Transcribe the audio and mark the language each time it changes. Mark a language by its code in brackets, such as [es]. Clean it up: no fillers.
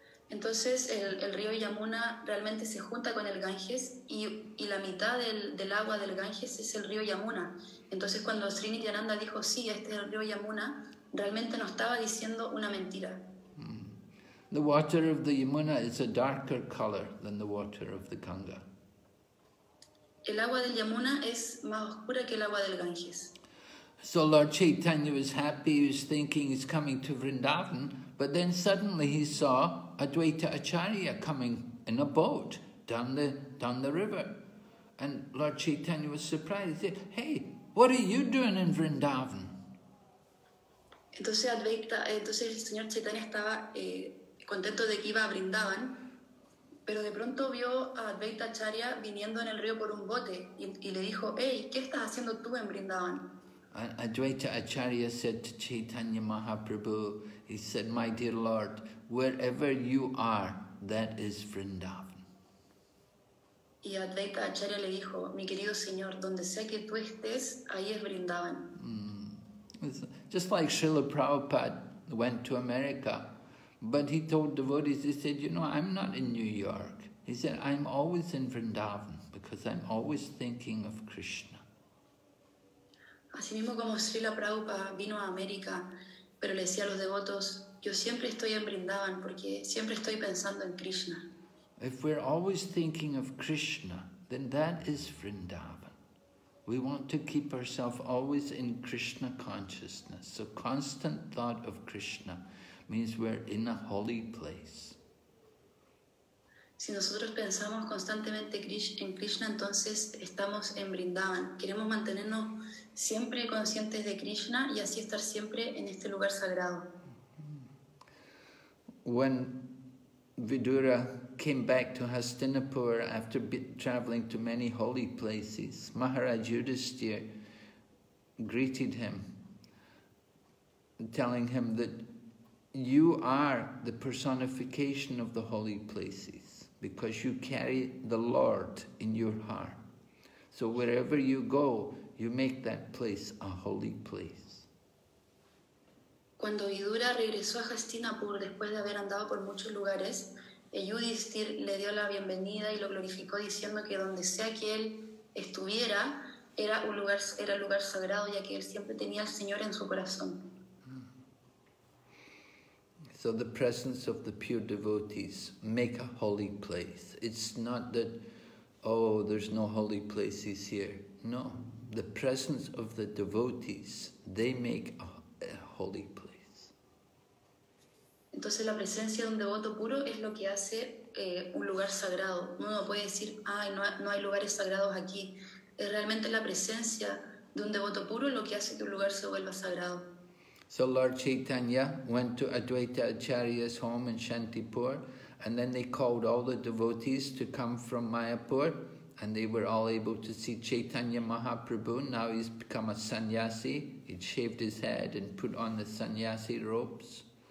[es] Entonces el río Yamuna realmente se junta con el Ganges y la mitad del agua del Ganges es el río Yamuna. Entonces cuando Sri Nityananda dijo, sí, este es el río Yamuna, realmente no estaba diciendo una mentira. [en] The water of the Yamuna is a darker color than the water of the Ganga. [es] El agua del Yamuna es más oscura que el agua del Ganges. [en] So Lord Chaitanya was happy, he was thinking he's coming to Vrindavan, but then suddenly he saw Advaita Acharya coming in a boat down the river. And Lord Chaitanya was surprised. He said, hey, what are you doing in Vrindavan? [es] Entonces el señor Chaitanya estaba contento de que iba a Vrindavan, pero de pronto vio a Advaita Acharya viniendo en el río por un bote y le dijo, hey, ¿qué estás haciendo tú en Vrindavan? [en] And Advaita Acharya said to Chaitanya Mahaprabhu, he said, my dear Lord, wherever you are, that is Vrindavan. [es] Y Advaita Acharya le dijo, mi querido señor, donde sea que tú estés, ahí es Vrindavan. [en] Just like Srila Prabhupada went to America, but he told devotees, he said, you know, I'm not in New York. He said, I'm always in Vrindavan because I'm always thinking of Krishna. [es] Así mismo como Srila Prabhupada vino a América, pero le decía a los devotos, yo siempre estoy en Vrindavan porque siempre estoy pensando en Krishna. [en] If we're always thinking of Krishna, then that is Vrindavan. We want to keep ourselves always in Krishna consciousness. So constant thought of Krishna means we're in a holy place. [es] Si nosotros pensamos constantemente en Krishna, entonces estamos en Vrindavan. Queremos mantenernos siempre conscientes de Krishna y así estar siempre en este lugar sagrado. [en] When Vidura came back to Hastinapur after traveling to many holy places. Maharaj Yudhisthira greeted him, telling him that you are the personification of the holy places because you carry the Lord in your heart. So wherever you go, you make that place a holy place. [es] Cuando Vidura regresó a Hastinapur después de haber andado por muchos lugares, Yudhisthira le dio la bienvenida y lo glorificó diciendo que donde sea que él estuviera era un lugar, era lugar sagrado, ya que él siempre tenía al Señor en su corazón. [en] So the presence of the pure devotees make a holy place. It's not that, oh, there's no holy places here. No, the presence of the devotees, they make a holy place. [es] Entonces la presencia de un devoto puro es lo que hace un lugar sagrado. Uno puede decir, ay, no hay lugares sagrados aquí. Es realmente la presencia de un devoto puro lo que hace que un lugar se vuelva sagrado. [en] So Lord Chaitanya went to Advaita Acharya's home in Shantipur, and then they called all the devotees to come from Mayapur, and they were all able to see Chaitanya Mahaprabhu. Now he's become a sannyasi. He'd shaved his head and put on the sannyasi robes.